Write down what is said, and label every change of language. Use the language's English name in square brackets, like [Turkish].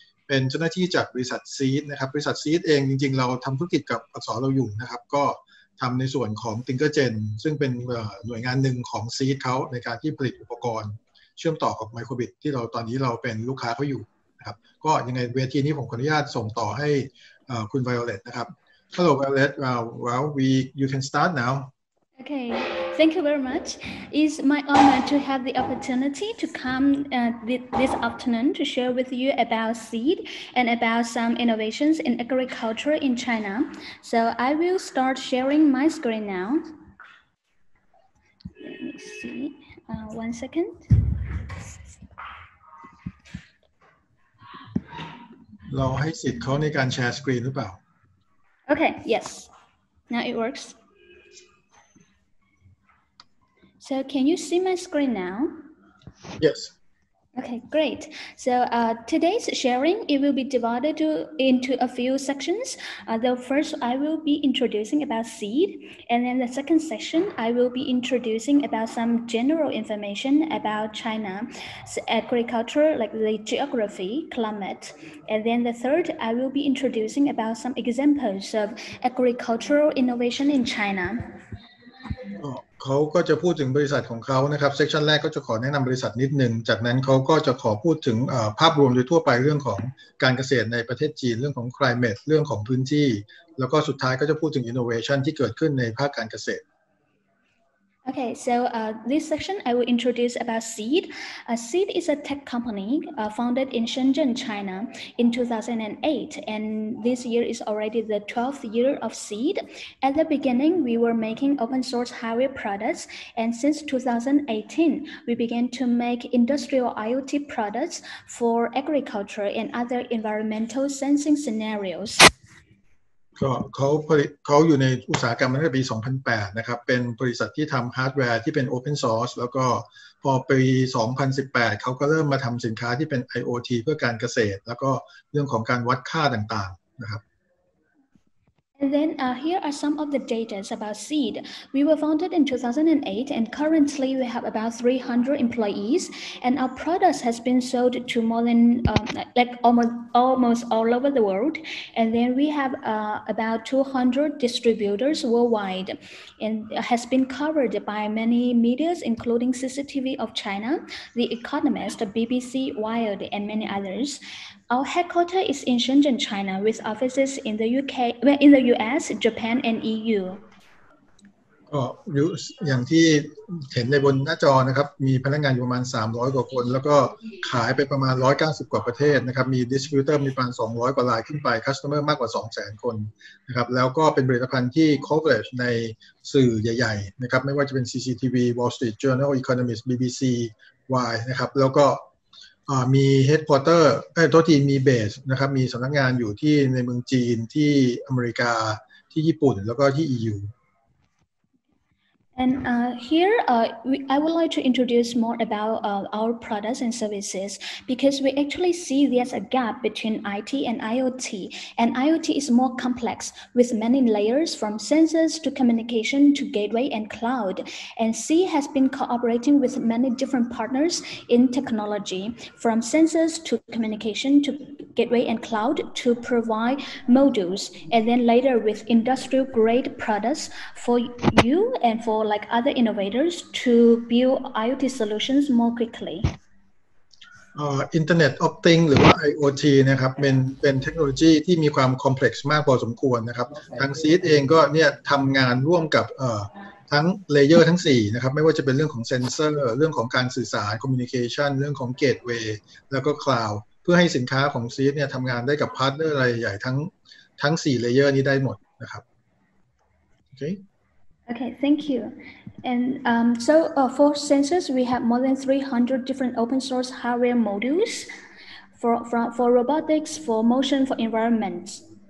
[Thai] ป็นเจ้าหน้าที่จากบริษัท Seed นะครับบริษัท Seed เองจริงๆเราทำธุรกิจกับอสเราอยู่นะครับก็ทำในส่วนของ Tinkergen ซึ่งเป็นหน่วยงานหนึ่งของ Seed เขาในการที่ผลิตอุปกรณ์เชื่อมต่อกับ Microbit ที่เราตอนนี้เราเป็นลูกค้าเขาอยู่นะครับก็ยังไงเวทีนี้ผมขออนุญาตส่งต่อให้คุณ Violet นะครับ [English] Hello Violet well we you can start now Okay, thank you very much. It's my honor to have the opportunity to come this afternoon to share with you about Seed and about some innovations in agriculture in China. So I will start sharing my screen now. Let me see, 1 second. [Thai] เราให้สิทธิ์เขาในการแชร์สกรีนหรือเปล่า [English] Okay, yes. Now it works. So can you see my screen now? Yes. Okay, great. So today's sharing, it will be divided into a few sections. First, I will be introducing about Seed. And then the second section, I will be introducing about some general information about China's agriculture, like the geography, climate. And then the third, I will be introducing about some examples of agricultural innovation in China. [Thai] เขาก็จะพูดถึงบริษัทของเขานะครับเซกชันแรกก็จะขอแนะนำบริษัทนิดนึงจากนั้นเขาก็จะขอพูดถึงภาพรวมโดยทั่วไปเรื่องของการเกษตรในประเทศจีนเรื่องของ climate เรื่องของพื้นที่แล้วก็สุดท้ายก็จะพูดถึง innovation ที่เกิดขึ้นในภาคการเกษตร [English] Okay, so this section I will introduce about Seed. Seed is a tech company founded in Shenzhen, China in 2008. And this year is already the 12th year of Seed. At the beginning, we were making open source hardware products. And since 2018, we began to make industrial IoT products for agriculture and other environmental sensing scenarios. [Thai] ก็เขาอยู่ในอุตสาหกรรมตั้งแต่ปี2008นะครับเป็นบริษัทที่ทำฮาร์ดแวร์ที่เป็นโอเพนซอร์สแล้วก็พอปี2018เขาก็เริ่มมาทำสินค้าที่เป็น IoT เพื่อการเกษตรแล้วก็เรื่องของการวัดค่าต่างๆนะครับ [English] And then here are some of the data about Seed. We were founded in 2008 and currently we have about 300 employees and our products has been sold to more than almost all over the world. And then we have about 200 distributors worldwide and has been covered by many medias, including CCTV of China, The Economist, BBC, Wired, and many others. Our headquarters is in Shenzhen, China, with offices in the US, Japan, and EU. [Thai] ก็อย่างที่เห็นในบนหน้าจอนะครับมีพนักงานอยู่ประมาณ300กว่าคนแล้วก็ขายไปประมาณ190กว่าประเทศนะครับมีดิสทริบิวเตอร์มีประมาณ200กว่ารายขึ้นไปคัสโตเมอร์มากกว่า 200,000 คนนะครับแล้วก็เป็นผลิตภัณฑ์ที่ coverage ในสื่อใหญ่ๆนะครับไม่ว่าจะเป็น CCTV Wall Street Journal Economist BBC Y นะครับแล้วก็มีเฮดควอเตอร์โทษทีมีเบสนะครับมีสำนักงานอยู่ที่ในเมืองจีนที่อเมริกาที่ญี่ปุ่นแล้วก็ที่ EU [English] And here, I would like to introduce more about our products and services because we actually see there's a gap between IT and IoT. And IoT is more complex with many layers from sensors to communication to gateway and cloud. And C has been cooperating with many different partners in technology from sensors to communication to gateway and cloud to provide modules and then later with industrial grade products for you and forlike other innovators to build IoT solutions more quickly. [Thai] Internet of Things หรือว่า IoT นะครับเป็นเทคโนโลยีที่มีความคอมเพล็กซ์มากพอสมควรนะครับ okay. ทาง Seed เองก็เนี่ยทำงานร่วมกับทั้งเลเยอร์ทั้ง4นะครับไม่ว่าจะเป็นเรื่องของเซนเซอร์เรื่องของการสื่อสารคอมมิวนิเคชันเรื่องของเกตเวย์แล้วก็คลาวด์เพื่อให้สินค้าของ Seed เนี่ยทำงานได้กับพาร์ทเนอร์รายใหญ่ทั้ง4เลเยอร์นี้ได้หมดนะครับโอเค [English] Okay, thank you. And so for sensors, we have more than 300 different open source hardware modules for robotics, for motion, for environment.